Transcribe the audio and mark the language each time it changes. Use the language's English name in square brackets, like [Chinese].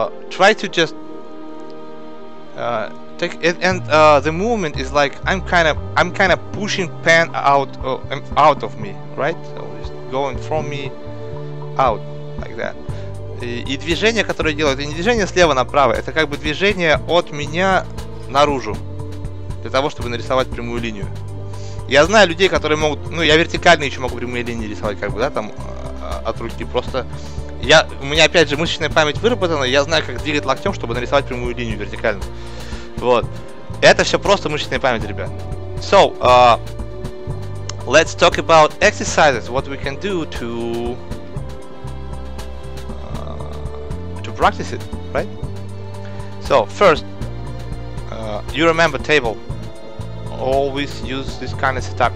[English] Try to just take it, and the movement is like I'm kind of pushing pen out of me, right? So it's going from me out like that. [Russian] И движение, которое делаю, это не движение слева направо, это как бы движение от меня наружу для того, чтобы нарисовать прямую линию. Я знаю людей, которые могут, ну, я вертикально еще могу прямые линии рисовать, как бы, да, там, от руки, просто я, у меня, опять же, мышечная память выработана, я знаю, как двигать локтем, чтобы нарисовать прямую линию вертикально, вот, это все просто мышечная память, ребят. [English] So, let's talk about exercises, what we can do to practice it, right? So, first, you remember table. Always use this kind of setup.